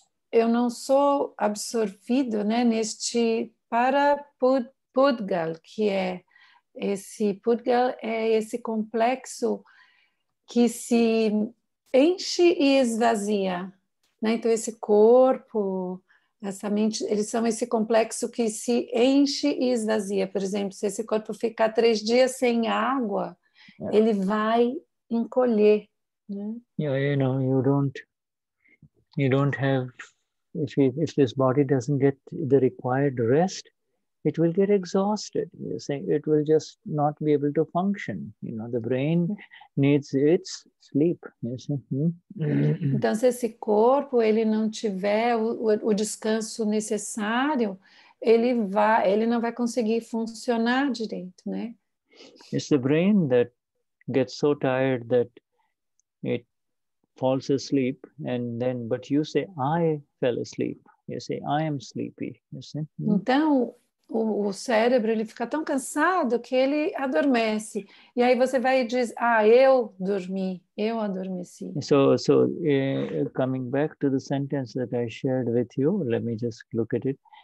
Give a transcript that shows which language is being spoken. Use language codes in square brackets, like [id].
[pt] eu não sou absorvido, né, neste Parpudgal, que é esse Pudgal, é esse complexo que se enche e esvazia. Né? Então, esse corpo, essa mente, eles são esse complexo que se enche e esvazia. Por exemplo, se esse corpo ficar 3 dias sem água, ele vai encolher. Né? [en] Yeah, you know, you don't have... If this body doesn't get the required rest, it will get exhausted. You see, it will just not be able to function. You know, the brain needs its sleep. You see? [pt] Então, se esse corpo ele não tiver o descanso necessário, ele não vai conseguir funcionar direito, né? [en] It's the brain that gets so tired that it falls asleep, and then, but you say, I fell asleep. You say, I am sleepy. You see? [pt] Então, o cérebro, ele fica tão cansado que ele adormece. E aí você vai e diz, eu dormi, eu adormeci. [en] So, coming back to the sentence that I shared with you, let me just look at it.